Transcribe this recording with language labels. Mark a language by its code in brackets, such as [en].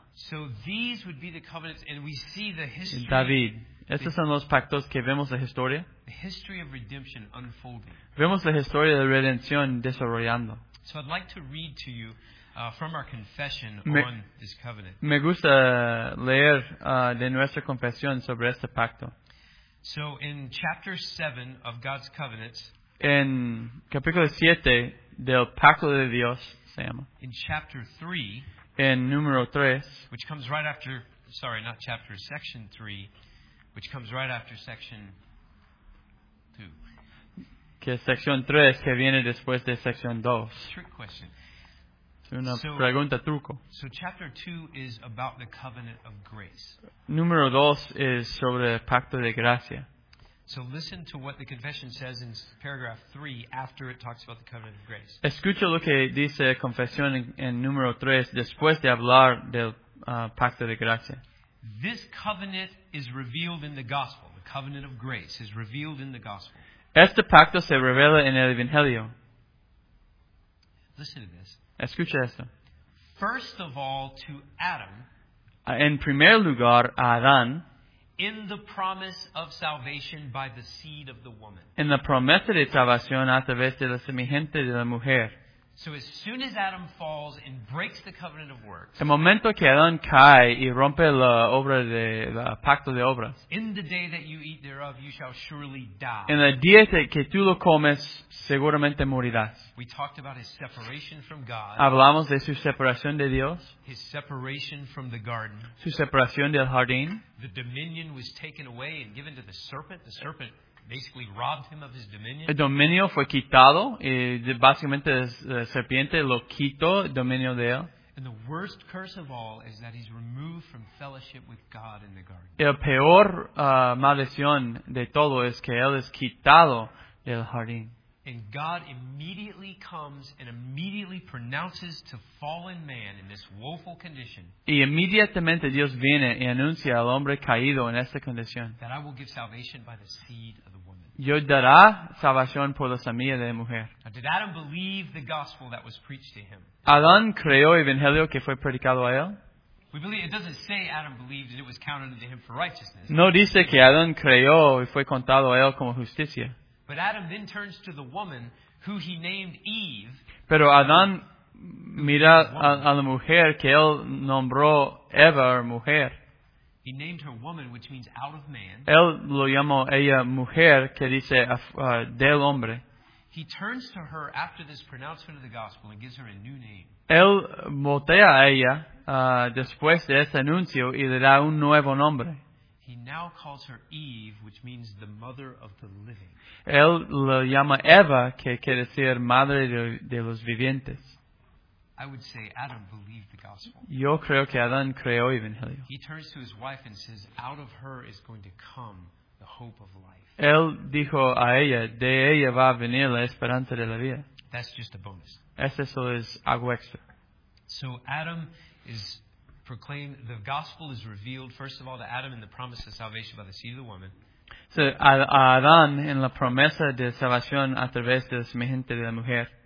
[en] So these would be the covenants, and we see the history. David. [es] Estos son los pactos que vemos la historia. [en] The history of redemption unfolding. [es] Vemos la historia de redención desarrollando. [en] So I'd like to read to you from our confession on this covenant. [es] Me gusta leer de nuestra confesión sobre este pacto. [en] So in chapter 7 of God's covenants. [es] En capítulo 7 del pacto de Dios. [en] In chapter 3, [es] en número 3, [en] which comes right after, sorry, not chapter, section 3, which comes right after section 2. [es] Que es sección 3, que viene después de sección 2. [en] Trick question. [es] Es una pregunta truco. [en] So chapter 2 is about the covenant of grace. [es] Número 2 es sobre el pacto de gracia. [en] So listen to what the confession says in paragraph 3 after it talks about the covenant of grace. [es] Escucha lo que dice confesión en número 3 después de hablar del pacto de gracia. [en] This covenant is revealed in the gospel. The covenant of grace is revealed in the gospel. [es] Este pacto se revela en el evangelio. [en] Listen to this. [es] Escucha esto. [en] First of all to Adam. [es] En primer lugar a Adán. [en] In the promise of salvation by the seed of the woman. [es] En la promesa de salvación a través de la semejante de la mujer. [en] So as soon as Adam falls and breaks the covenant of works. [es] El momento que Adán cae y rompe la obra de la pacto de obras. [en] In the day that you eat thereof, you shall surely die. [es] En el día que tú lo comes, seguramente morirás. [en] We talked about his separation from God. [es] Hablamos de su separación de Dios. [en] His separation from the garden. [es] Su separación del jardín. [en] The dominion was taken away and given to the serpent. The serpent basically robbed him of his dominion. [es] El dominio fue quitado y básicamente la serpiente lo quitó el dominio de él. [en] And the worst curse of all is that he's removed from fellowship with God in the garden. [es] El peor maldición de todo es que él es quitado del jardín. [en] And God immediately comes and immediately pronounces to fallen man in this woeful condition. [es] Y inmediatamente Dios viene y anuncia al hombre caído en esta condición. [en] That I will give salvation by the seed of the woman. [es] Yo dará salvación por la semilla de la mujer. [en] Now, did Adam believe the gospel that was preached to him? [es] ¿Adán creyó el evangelio que fue predicado a él? [en] We believe it doesn't say Adam believed and it was counted to him for righteousness. [es] No dice que Adán creyó y fue contado a él como justicia. [en] But Adam then turns to the woman who he named Eve. [es] Pero Adán mira a la mujer que él nombró Eva, mujer. [en] He named her woman, which means out of man. [es] Él lo llamó ella mujer, que dice del hombre. [en] He turns to her after this pronouncement of the gospel and gives her a new name. [es] Él voltea a ella después de este anuncio y le da un nuevo nombre. [en] He now calls her Eve, which means the mother of the living. [es] Él lo llama Eva, que quiere decir madre de los vivientes. [en] I would say Adam believed the gospel. [es] Yo creo que Adán creyó el evangelio. [en] He turns to his wife and says, out of her is going to come the hope of life. [es] Él dijo a ella, de ella va a venir la esperanza de la vida. [en] That's just a bonus. [es] Eso solo es algo extra. [en] So Adam is proclaimed, the gospel is revealed, first of all, to Adam in the promise of salvation by the seed of the woman. [es] So a Adán en la promesa de salvación a través de la semejante de la mujer.